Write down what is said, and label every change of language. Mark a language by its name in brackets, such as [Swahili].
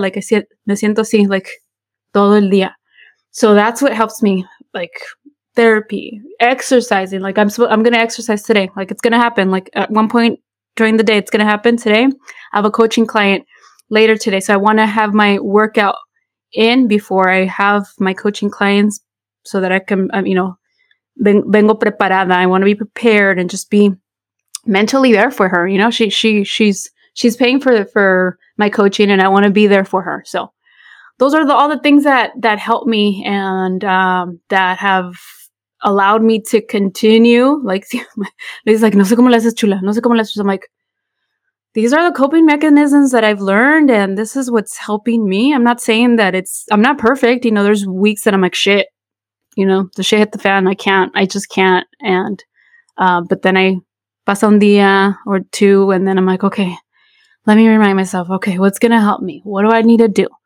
[Spanish] Like, me siento así, like, todo el día. [English] So that's what helps me, like therapy, exercising. Like, I'm going to exercise today. Like, it's going to happen. Like, at one point during the day, it's going to happen today. I have a coaching client later today, so I want to have my workout in before I have my coaching clients, so that I can, you know, [Spanish] vengo preparada. [English] I want to be prepared and just be mentally there for her. You know, she's paying for my coaching, and I want to be there for her. So those are all the things that help me and that have allowed me to continue. Like, he's like, [Spanish] no sé cómo le haces, chula. No sé cómo le haces. [English] I'm like, these are the coping mechanisms that I've learned, and this is what's helping me. I'm not saying that I'm not perfect. You know, there's weeks that I'm like, shit, you know, the shit hit the fan. I just can't. And, but then I pass on the [Spanish] día [English] or two, and then I'm like, okay, let me remind myself, okay, what's going to help me? What do I need to do?